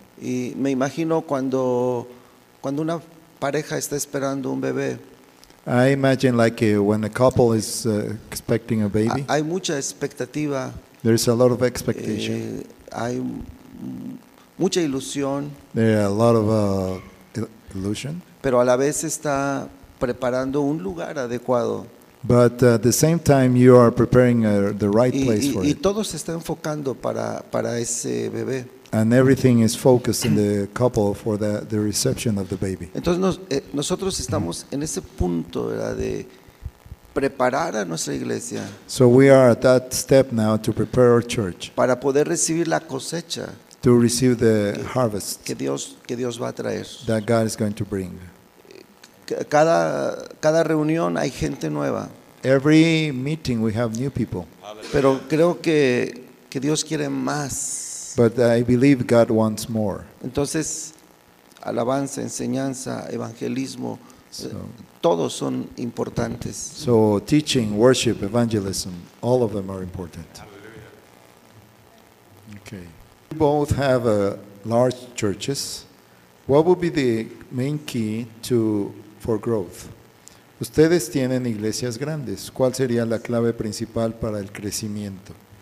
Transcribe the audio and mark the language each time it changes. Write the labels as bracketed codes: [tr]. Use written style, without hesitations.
[es] Y me imagino cuando una pareja está esperando un bebé. [en] I imagine like when a couple is expecting a baby. [es] Hay mucha expectativa. [en] There is a lot of expectation. [es] Hay mucha ilusión. [en] There are a lot of illusion. [es] Pero a la vez está preparando un lugar adecuado. [en] But at the same time you are preparing the right place for [es] it. Y todo se está enfocando para ese bebé. [en] And everything is focused in the couple for the reception of the baby. [es] Entonces nosotros estamos en ese punto, ¿verdad?, de preparar a nuestra iglesia. [en] So we are at that step now to prepare our church. [es] Para poder recibir la cosecha. [en] To receive the harvest. [es] Que Dios va a traer. [en] That God is going to bring. [es] Cada reunión hay gente nueva. [en] Every meeting we have new people. [es] Pero creo que Dios quiere más. [en] But I believe God wants more. [es] Entonces, alabanza, enseñanza, evangelismo, todos son importantes. [en] So teaching, worship, evangelism, all of them are important. Okay. We both have large churches. What would be the main key for growth? [es] Ustedes tienen iglesias grandes. ¿Cuál sería la clave principal para el crecimiento?